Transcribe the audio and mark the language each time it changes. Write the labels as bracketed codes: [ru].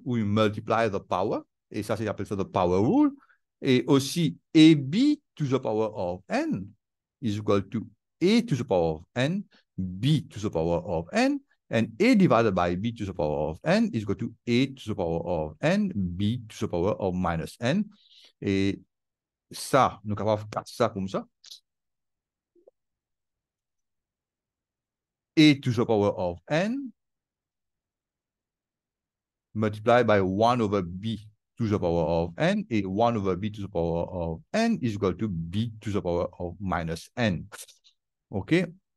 [en] We multiply the power. [fr] Et ça, c'est appelé ça [en] the power rule. [fr] Et aussi, [en] AB to the power of n is equal to A to the power of n, B to the power of n, and A divided by B to the power of n is equal to A to the power of n, B to the power of minus n. [fr] Et ça, nous sommes capables de faire ça comme ça. [en] A to the power of n multiplied by 1 over B to the power of n, [fr] et [en] 1 over b to the power of n is equal to b to the power of minus n. OK?